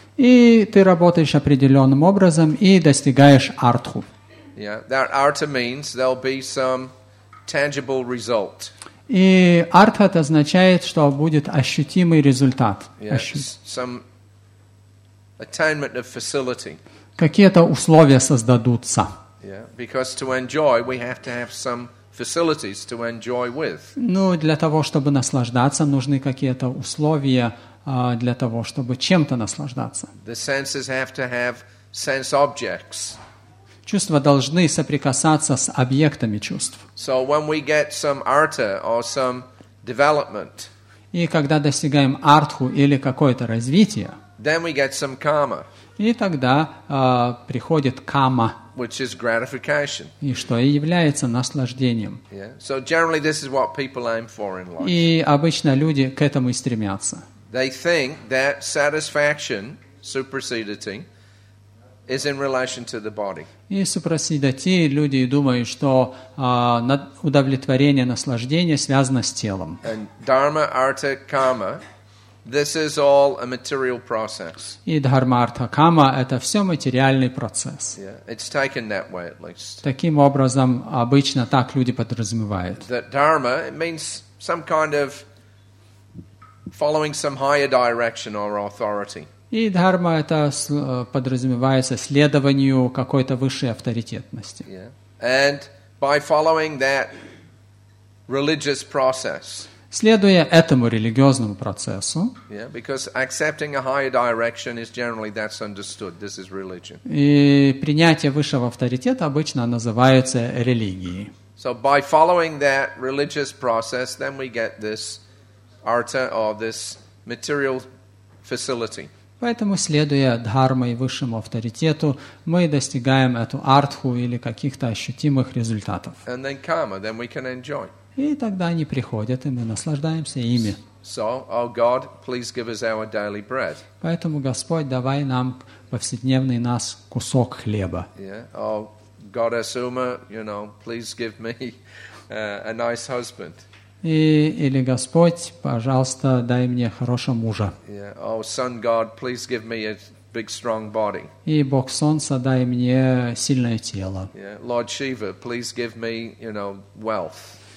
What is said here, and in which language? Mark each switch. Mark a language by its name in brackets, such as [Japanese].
[Russian] И ты работаешь определенным образом и достигаешь артху. [English] Yeah, that artha means there'll be some tangible result. [Russian] И артха это означает, что будет ощутимый результат. [English] Yeah, some attainment of facility. [Russian] Какие-то условия создадутся. [English] Yeah, because to enjoy, we have to have some facilities to enjoy with. [Russian] Ну, для того, чтобы наслаждаться, нужны какие-то условия для того, чтобы чем-то наслаждаться. [English] The senses have to have sense objects. [Russian] Чувства должны соприкасаться с объектами чувств. [English] So when we get some artha or some development, [Russian] и когда достигаем артху или какое-то развитие, [English] then we get some karma. [Russian] И тогда приходит кама. [English] Which is gratification. [Russian] И что и является наслаждением. [English] Yeah. So generally this is what people aim for in life. [Russian] И обычно люди к этому и стремятся. [English] They think that satisfaction, supersedity, is in relation to the body. [Russian] И супрасидати люди думают, что удовлетворение, наслаждение связано с телом. [English] And dharma, artha, kama, this is all a material process. [Russian] И дхарма, артха, кама – это все материальный процесс. [English] Yeah, it's taken that way at least. [Russian] Таким образом, обычно так люди подразумевают. [English] That dharma it means some kind of following some higher direction or authority. [Russian] И дхарма это подразумевается следованию какой-то высшей авторитетности. [English] Yeah. And by following that religious process. [Russian] Следуя этому религиозному процессу. [English] Yeah, because accepting a higher direction is generally that's understood. This is religion. [Russian] И принятие высшего авторитета обычно называется религией. [English] So by following that religious process, then we get this artha or this material facility. [Russian] Поэтому, следуя дхарме и высшему авторитету, мы достигаем эту артху или каких-то ощутимых результатов. [English] And then karma, then we can enjoy. [Russian] И тогда они приходят, и мы наслаждаемся ими. [English] So, oh God, please give us our daily bread. [Russian] Поэтому, Господь, давай нам повседневный нас кусок хлеба. [English] Yeah. Oh, God Asuma, you know, please give me a nice husband. [Russian] И, или Господь, пожалуйста, дай мне хорошего мужа. [English] Yeah. Oh, Sun God, please give me a big strong body. [Russian] И Бог Солнца, дай мне сильное тело. [English] Yeah. Lord Shiva, please give me, you know, wealth.